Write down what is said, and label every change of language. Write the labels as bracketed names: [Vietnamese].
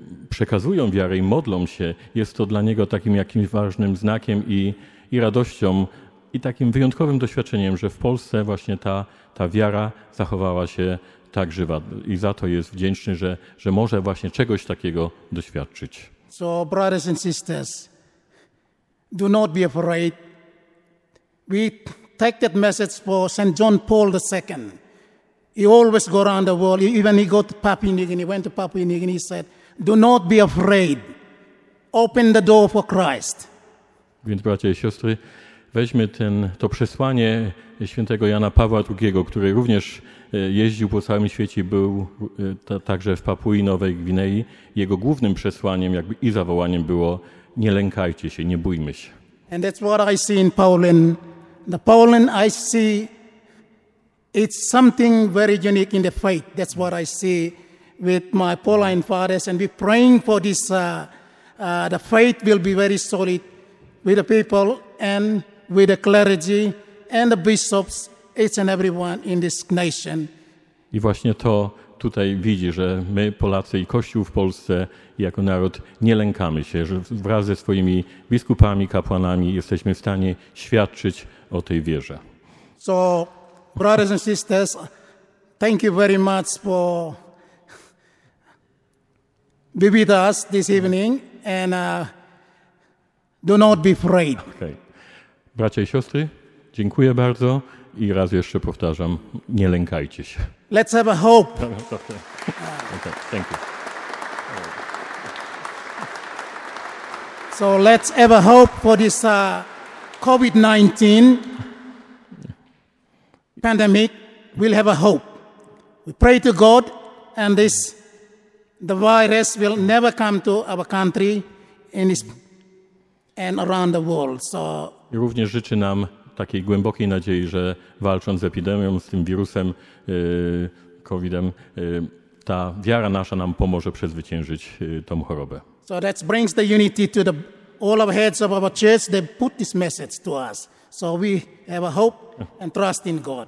[Polish] przekazują wiarę i modlą się, jest to dla niego takim jakimś ważnym znakiem i radością i takim wyjątkowym doświadczeniem, że w Polsce właśnie ta wiara zachowała się tak żywa i za to jest wdzięczny, że może właśnie czegoś takiego doświadczyć. [English] So, brothers and sisters, do not be afraid. We take that message for St. John Paul II. He always go around the world. Even he got to Papua New Guinea. He went to Papua New Guinea. He said, do not be afraid. Open the door for Christ. [Polish] Więc bracia i siostry, weźmy to przesłanie świętego Jana Pawła II, który również jeździł po całym świecie, był także w Papui Nowej Gwinei. Jego głównym przesłaniem jakby i zawołaniem było, nie lękajcie się, nie bójmy się. [English] And that's what I see in Poland. The Poland I see, it's something very unique in the faith. That's what I see with my Pauline fathers, and we're praying for this. The faith will be very solid with the people and with the clergy and the bishops, each and everyone in this nation. [Polish] I właśnie to tutaj widzi, że my Polacy i Kościół w Polsce jako naród nie lękamy się, że wraz ze swoimi biskupami, kapłanami jesteśmy w stanie świadczyć o tej wierze. [English] So, brothers and sisters, thank you very much for being with us this evening and do not be afraid. Okay. [Polish] Bracia i siostry, dziękuję bardzo i raz jeszcze powtarzam, nie lękajcie się. [English] Let's have a hope. Okay, thank you. So let's have a hope for this COVID-19 pandemic. we'll have a hope. We pray to God, and the virus will never come to our country and around the world. So. [Polish] Również życzy nam takiej głębokiej nadziei, że walcząc z epidemią, z tym wirusem, COVID-em, ta wiara nasza nam pomoże przezwyciężyć tą chorobę. [English] So that brings the unity to the all of heads of our church. They put this message to us. So we have a hope and trust in God.